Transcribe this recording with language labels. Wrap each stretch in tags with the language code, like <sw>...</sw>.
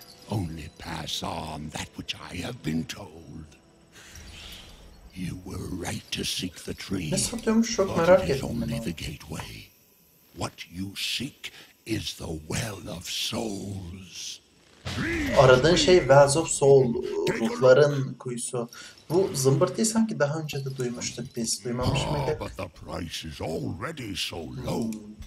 <en>Only pass on that which I have been told. You were right to seek the tree.</en> <tr>Ne satıyormuş, çok merak ettim onu.</tr> <en>The gateway. What you seek is the well of souls.</en> <tr>Aradığın şey Wells of Soul, ruhların kuyusu. Bu zımbırtıyı sanki daha önce de duymuştuk biz. Duymamış mıydık?</tr> <en>Ah, but the price is already so low.</en>